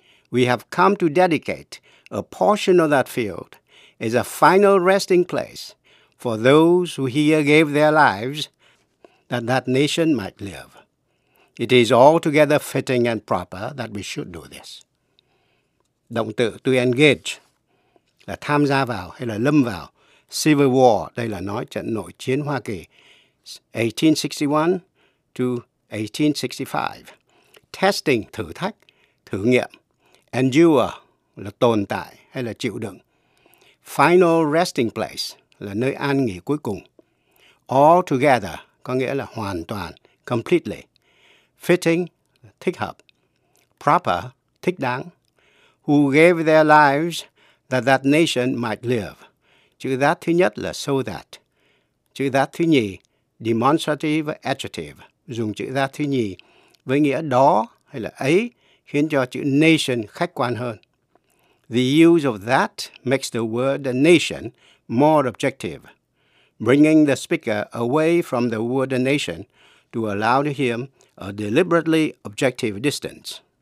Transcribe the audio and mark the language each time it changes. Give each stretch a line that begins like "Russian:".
English: We have come to dedicate a portion of that field as a final resting place for those who here gave their lives that that nation might live. It is altogether fitting and proper that we should do this.
Vietnamese: Động từ to engage là tham gia vào hay là lâm vào. Civil War, đây là nói trận nội chiến Hoa Kỳ, 1861 to 1865. Testing, thử thách, thử nghiệm. Endure là tồn tại hay là chịu đựng. Final resting place là nơi an nghỉ cuối cùng. All together có nghĩa là hoàn toàn, completely. Fitting, thích hợp. Proper, thích đáng.
English: Who gave their lives that that nation might live.
Vietnamese: Chữ that thứ nhất là so that. Chữ that thứ nhì, demonstrative adjective. Dùng chữ that thứ nhì với nghĩa đó hay là ấy khiến cho chữ nation khách quan hơn.
English: The use of that makes the word a nation more objective, bringing the speaker away from the word a nation to allow him a deliberately objective distance.